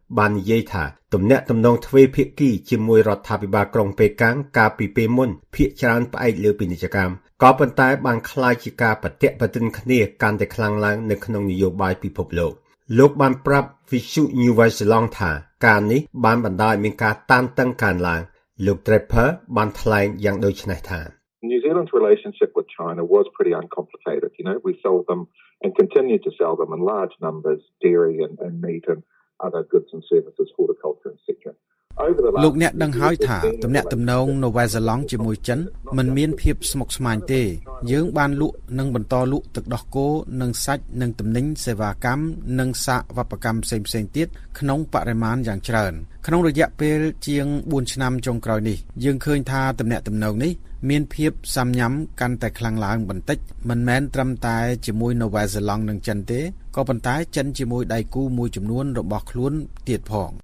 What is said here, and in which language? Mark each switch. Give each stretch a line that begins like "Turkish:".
Khmer: បាននិយាយថាទំនាក់ទំនងទ្វេភាគីជាមួយរដ្ឋាភិបាលក្រុងប៉េកាំងកាលពីពេលមុនភាគច្រើនផ្អែកលើពាណិជ្ជកម្មក៏ប៉ុន្តែបានក្លាយជាការប្រតិបត្តិគ្នាកាន់តែខ្លាំងឡើងនៅក្នុងនយោបាយពិភពលោកលោកបានប្រាប់ Visu New Zealand ថាការនេះបានបណ្ដាលឲ្យមានការតានតឹងកាន់ឡើងលោក Draper បានថ្លែងយ៉ាងដូចនេះថា
English: New Zealand's relationship with China was pretty uncomplicated. You know, we sold them and continued to sell them in large numbers dairy and meat and other goods and services, horticulture and etc.
Khmer: លោកអ្នកដឹងហើយថាទំនាក់ទំនងនូវែលសេឡង់ជាមួយចិន មិនមានភាពស្មុគស្មាញទេយើងបានលក់និងបន្តលក់ទឹកដោះគោនិងសាច់និងទំនិញសេវាកម្មនិងសាវកម្មផ្សេងៗទៀតក្នុងបរិមាណយ៉ាងច្រើនក្នុងរយៈពេលជាង4ឆ្នាំចុងក្រោយនេះយើងឃើញថាទំនាក់ទំនងនេះមានភាពសំញាំកាន់តែខ្លាំងឡើងបន្តិចមិនមែនត្រឹមតែជាមួយនូវែលសេឡង់និងចិនទេក៏ប៉ុន្តែចិនជាមួយដៃគូមួយចំនួនរបស់ខ្លួនទៀតផង